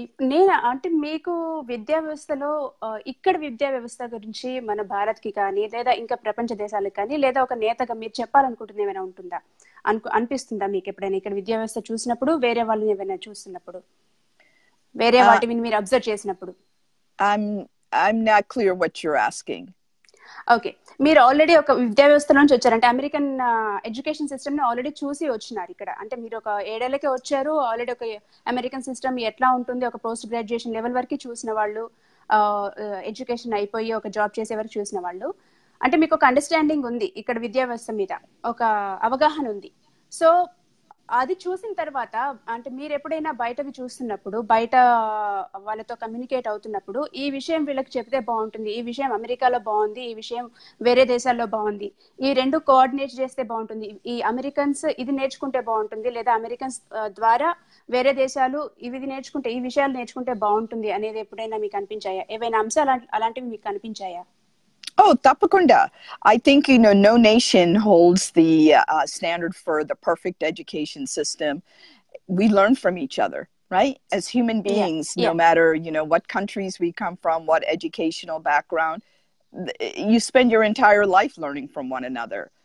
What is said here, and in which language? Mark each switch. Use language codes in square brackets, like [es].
[te] నేను అంటే మీకు విద్యా వ్యవస్థలో ఇక్కడ విద్యా వ్యవస్థ గురించి మన భారత్కి కానీ లేదా ఇంకా ప్రపంచ దేశాలకు కానీ లేదా ఒక నేతగా మీరు చెప్పాలనుకుంటుంది ఏమైనా ఉంటుందా అనిపిస్తుందా మీకు ఎప్పుడైనా ఇక్కడ విద్యా వ్యవస్థ చూసినప్పుడు వేరే వాళ్ళని ఏమైనా చూస్తున్నప్పుడు వేరే వాటిని మీరు అబ్జర్వ్ చేసినప్పుడు? [en] I'm not clear what you're asking. [te] Okay, మీరు ఆల్రెడీ ఒక విద్యా వ్యవస్థ నుంచి వచ్చారు అంటే అమెరికన్ ఎడ్యుకేషన్ సిస్టమ్ ని ఆల్రెడీ చూసి వచ్చినారు ఇక్కడ, అంటే మీరు ఒక 7 ఏళ్ళకే వచ్చారు ఆల్రెడీ ఒక అమెరికన్ సిస్టమ్ ఎట్లా ఉంటుంది ఒక పోస్ట్ గ్రాడ్యుయేషన్ లెవెల్ వరకు చూసిన వాళ్ళు, ఎడ్యుకేషన్ అయిపోయి ఒక జాబ్ చేసే వరకు చూసిన వాళ్ళు, అంటే మీకు ఒక అండర్స్టాండింగ్ ఉంది ఇక్కడ విద్యా వ్యవస్థ మీద ఒక అవగాహన ఉంది. సో అది చూసిన తర్వాత అంటే మీరు ఎప్పుడైనా బయటకు చూస్తున్నప్పుడు బయట వాళ్ళతో కమ్యూనికేట్ అవుతున్నప్పుడు ఈ విషయం వీళ్ళకి చెప్తే బాగుంటుంది, ఈ విషయం అమెరికాలో బాగుంది, ఈ విషయం వేరే దేశాల్లో బాగుంది, ఈ రెండు కోఆర్డినేట్ చేస్తే బాగుంటుంది, ఈ అమెరికన్స్ ఇది నేర్చుకుంటే బాగుంటుంది లేదా అమెరికన్స్ ద్వారా వేరే దేశాలు ఇవి నేర్చుకుంటే ఈ విషయాలు నేర్చుకుంటే బాగుంటుంది అనేది ఎప్పుడైనా మీకు అనిపించాయా? ఏవైనా అంశాలు అలాంటివి మీకు అనిపించాయా? Oh, tapakunda. [en] I think, no nation holds the standard for the perfect education system. We learn from each other, right? As human beings, yeah. No matter, what countries we come from, what educational background, you spend your entire life learning from one another.